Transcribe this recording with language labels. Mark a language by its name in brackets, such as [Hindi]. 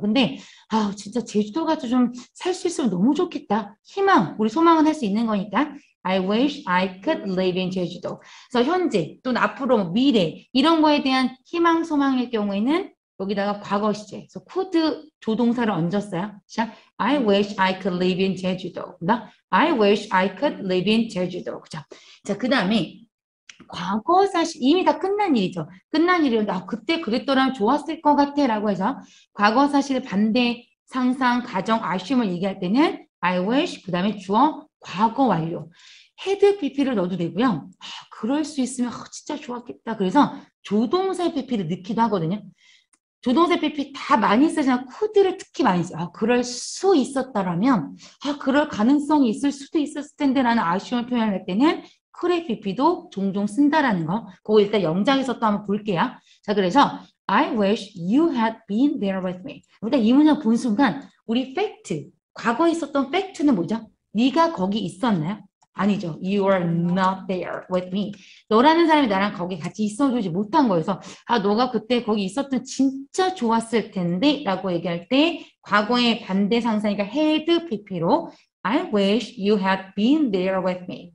[Korean] 근데, 진짜 제주도 가서 좀살수 있으면 너무 좋겠다. 희망, 우리 소망은 할수 있는 거니까. [English] I wish I could live in 제주도. [Korean] 그래서 현재 또는 앞으로 미래 이런 거에 대한 희망, 소망일 경우에는 여기다가 과거 시제, 그래서 could 조동사를 얹었어요. [English] 자, I wish I could live in 제주도. 나, I wish I could live in 제주도. [Korean] 그죠? 자, 그 다음에 과거 사실 이미 다 끝난 일이죠. 끝난 일이요. 나 그때 그랬더라면 좋았을 것 같아라고 해서 과거 사실의 반대 상상 가정 아쉬움을 얘기할 때는 I wish 그 다음에 주어 과거 완료. 헤드 PP를 넣어도 되고요. 그럴 수 있으면 진짜 좋았겠다. 그래서 조동사의 PP를 넣기도 하거든요. 조동사 PP 다 많이 쓰잖아. 코드를 특히 많이 써. 그럴 수 있었다라면, 그럴 가능성이 있을 수도 있었을 텐데라는 아쉬움을 표현할 때는 could의 PP도 종종 쓴다라는 거. 그거 일단 영장에서 또 한번 볼게요. 자, 그래서 [English] I wish you had been there with me. [Korean] 일단 이 문장 본 순간 우리 fact, 과거에 있었던 fact는 뭐죠? 네가 거기 있었나요? 아니죠. [English] You are not there with me. [Korean] 너라는 사람이 나랑 거기 같이 있어주지 못한 거여서, 너가 그때 거기 있었던 진짜 좋았을 텐데 라고 얘기할 때, 과거의 반대 상사니까 had PP로, [English] I wish you had been there with me.